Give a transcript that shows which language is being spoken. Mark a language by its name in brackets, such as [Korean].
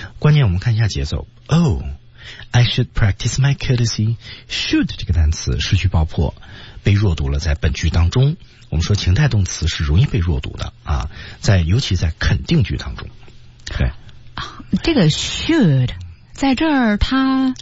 [Chinese] 关键我们看一下节奏哦。 [English] I should practice my courtesy. [Chinese] Should 这个单词失去爆破，被弱读了。在本句当中，我们说情态动词是容易被弱读的啊，在尤其在肯定句当中。对，这个 should 在这儿它